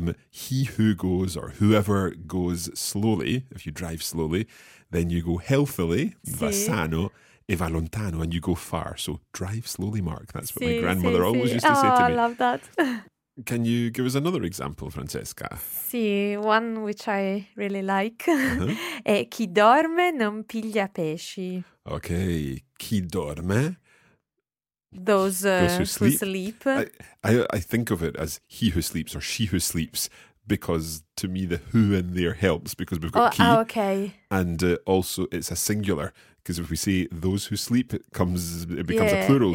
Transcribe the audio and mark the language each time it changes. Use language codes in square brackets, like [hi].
[en] He who goes or whoever goes slowly, if you drive slowly, then you go healthily, sì. [it] Va sano e va lontano, [en] and you go far. So drive slowly, Mark. That's what sì, my grandmother sì, always sì. used to oh, say to me. I love that. Can you give us another example, Francesca? Sì, one which I really like. [it] Uh-huh. E chi dorme non piglia pesci. Okay, chi dorme? [en] Those who sleep. Who sleep. I think of it as he who sleeps or she who sleeps, because to me the who in there helps, because we've got key. Oh, okay. And also it's a singular, because if we say those who sleep, it becomes a plural.